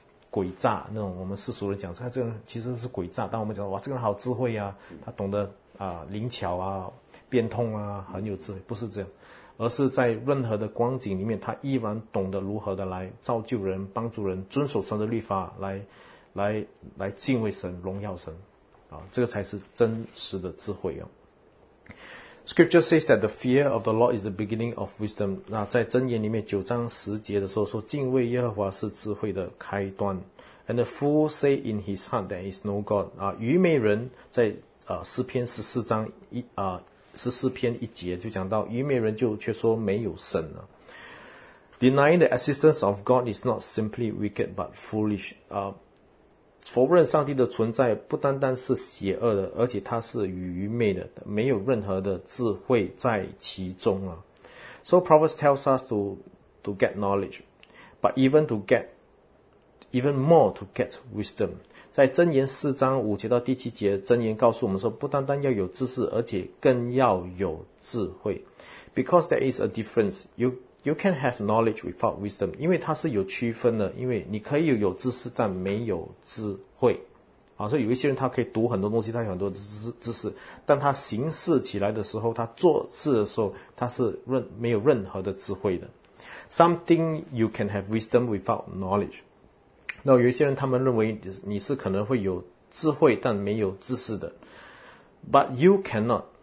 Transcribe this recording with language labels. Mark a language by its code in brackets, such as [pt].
[zh] 诡诈那种我们世俗人讲这个人其实是诡诈，但我们讲哇这个人好智慧他懂得灵巧变通很有智慧，不是这样，而是在任何的光景里面他依然懂得如何的来造就人、帮助人、遵守神的律法，来敬畏神、荣耀神这个才是真实的智慧。 [en] Scripture says that the fear of the Lord is the beginning of wisdom. [zh] 那在箴言里面九章十节的时候说敬畏耶和华是智慧的开端。 [en] And the fool say in his heart there is no God. [zh] 愚昧人在诗篇十四章一十四篇一节就讲到愚昧人就却说没有神了。 [en] Denying the existence of God is not simply wicked but foolish. [zh] 否认上帝的存在不单单是邪恶的，而且他是愚昧的，没有任何的智慧在其中 [en] So Proverbs tells us to get knowledge, but even more to get wisdom. [zh] 在箴言四章五节到第七节，箴言告诉我们说，不单单要有知识，而且更要有智慧。 [en] Because there is a difference, you can have knowledge without wisdom. [zh] 因为它是有区分的，因为你可以有知识，但没有智慧。所以有一些人他可以读很多东西，他有很多知识，但他行事起来的时候，他做事的时候，他是没有任何的智慧的。 [en] Something you can have wisdom without knowledge. [zh] 那有一些人他们认为你是可能会有智慧但没有知识的 [en] But you cannot